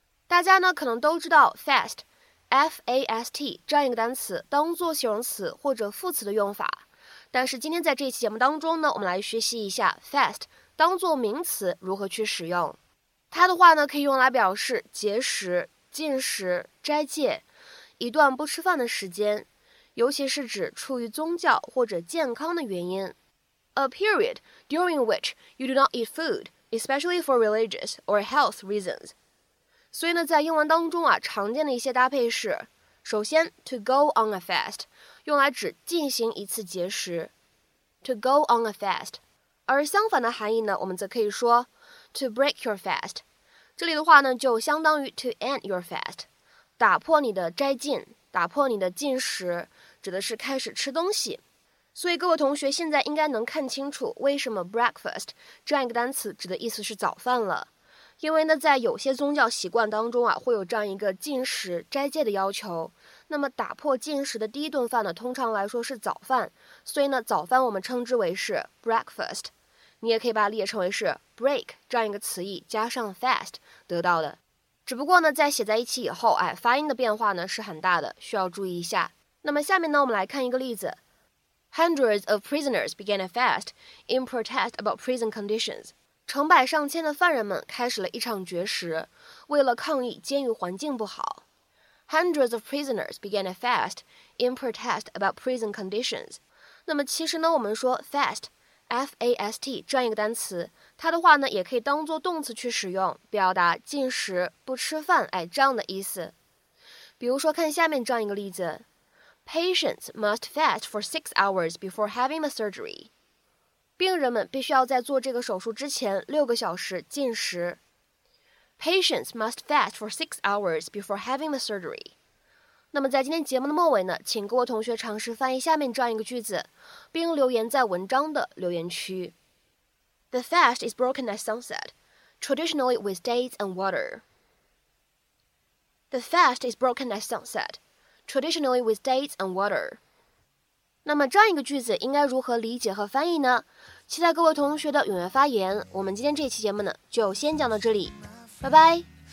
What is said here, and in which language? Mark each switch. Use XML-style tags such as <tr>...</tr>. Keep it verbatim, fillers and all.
<zh>大家呢，可能都知道 fast。F A S T 这样一个单词当做形容词或者副词的用法，但是今天在这一期节目当中呢，我们来学习一下 fast 当做名词如何去使用。它的话呢，可以用来表示节食、禁食、斋戒，一段不吃饭的时间，尤其是指出于宗教或者健康的原因。</zh> <en>A period during which you do not eat food, especially for religious or health reasons.</en> <zh>所以呢，在英文当中啊，常见的一些搭配是，首先</zh> <en>to go on a fast</en> <zh>用来指进行一次节食 ，to go on a fast。而相反的含义呢，我们则可以说</zh> <en>to break your fast。</en> <zh>这里的话呢，就相当于</zh> <en>to end your fast，</en> <zh>打破你的斋禁，打破你的禁食，指的是开始吃东西。所以各位同学现在应该能看清楚，为什么 breakfast 这样一个单词指的意思是早饭了。因为呢，在有些宗教习惯当中啊，会有这样一个禁食斋戒的要求。那么打破禁食的第一顿饭呢，通常来说是早饭，所以呢，早饭我们称之为是 breakfast。你也可以把它理解成为是 break 这样一个词义加上 fast 得到的。只不过呢，在写在一起以后，哎，发音的变化呢是很大的，需要注意一下。那么下面呢，我们来看一个例子 ：</zh> <en>Hundreds of prisoners began a fast in protest about prison conditions.</en> <zh>成百上千的犯人们开始了一场绝食，为了抗议监狱环境不好。</zh> <en>Hundreds of prisoners began a fast in protest about prison conditions.</en> <zh>那么其实呢，我们说 fast, F A S T 这样一个单词，它的话呢，也可以当做动词去使用，表达进食、不吃饭，哎，这样的意思。比如说，看下面这样一个例子 ：</zh> <en>Patients must fast for six hours before having the surgery.</en> <zh>病人们必须要在做这个手术之前六个小时禁食。</zh> <en>Patients must fast for six hours before having the surgery.</en> <zh>那么在今天节目的末尾呢，请各位同学尝试翻译下面这样一个句子，并留言在文章的留言区。</zh> <en>The fast is broken at sunset, traditionally with dates and water. The fast is broken at sunset, traditionally with dates and water.</en> <zh>那么这样一个句子应该如何理解和翻译呢？期待各位同学的踊跃发言。我们今天这期节目呢，就先讲到这里，拜拜。</zh>